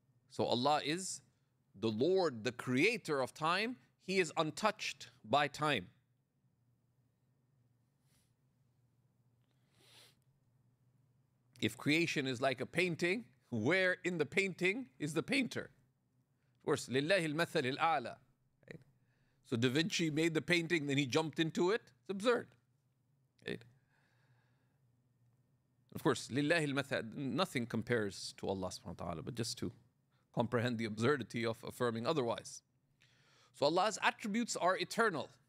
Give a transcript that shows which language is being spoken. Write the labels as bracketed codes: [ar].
[en] So Allah is the Lord, the creator of time. He is untouched by time. if creation is like a painting, where in the painting is the painter? Of course, [ar] لِلَّهِ الْمَثَلِ الْأَعْلَى. [en] So Da Vinci made the painting, then he jumped into it. It's absurd. Right? Of course, [ar] لِلَّهِ الْمَثَلِ, [en] nothing compares to Allah subhanahu wa ta'ala, but just to comprehend the absurdity of affirming otherwise. So Allah's attributes are eternal.